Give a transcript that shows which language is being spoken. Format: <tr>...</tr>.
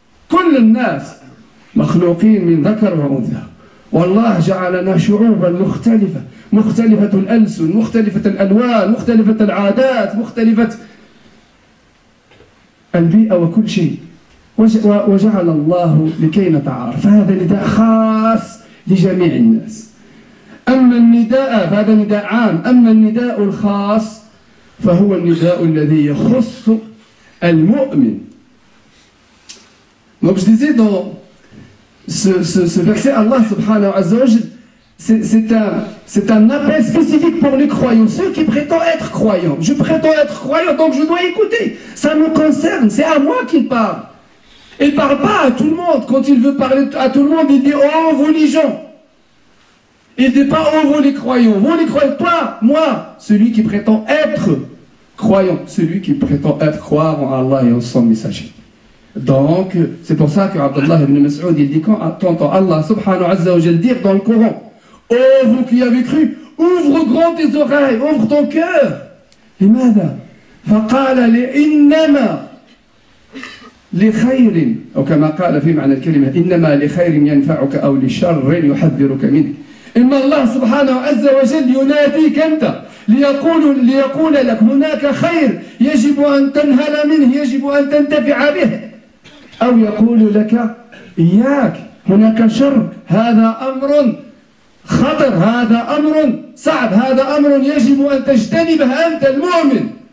<ar>كل الناس مخلوقين من ذكر وأنثى، والله جعلنا شعوبا مختلفة، مختلفة الألسن، مختلفة الألوان، مختلفة العادات، مختلفة البيئة وكل شيء، وجعل الله لكي نتعارف. فهذا نداء خاص لجميع الناس. أما النداء، فهذا نداء عام. أما النداء الخاص فهو النداء الذي يخص المؤمن.</ar> <fr>Donc je disais dans ce verset, Allah subhanahu wa ta'ala, C'est un appel spécifique pour les croyants, ceux qui prétendent être croyants. Je prétends être croyant, donc je dois écouter. Ça me concerne, c'est à moi qu'il parle. Il ne parle pas à tout le monde. Quand il veut parler à tout le monde, il dit « Oh, vous les gens !» Il ne dit pas « Oh, vous les croyants !» Vous les croyants, toi, moi, celui qui prétend être croyant, celui qui prétend être croire en Allah et en son messager. Donc, c'est pour ça que Abdullah ibn Mas'ud, il dit quand t'entends Allah subhanahu azza wa jalla dire dans le Coran: oh vous qui avez cru, ouvre grand tes oreilles, ouvre ton cœur.</fr> <ar>لماذا؟ فقال لإنما لخير أو كما قال في معنى الكلمة إنما لخير ينفعك أو لشر يحذرك منه. إما الله سبحانه عز وجل يناديك أنت ليقول لك هناك خير يجب أن تنهل منه، يجب أن تنتفع به، أو يقول لك إياك هناك شر، هذا أمر خطر، هذا أمر صعب، هذا أمر يجب أن تجتنبه أنت المؤمن.</ar>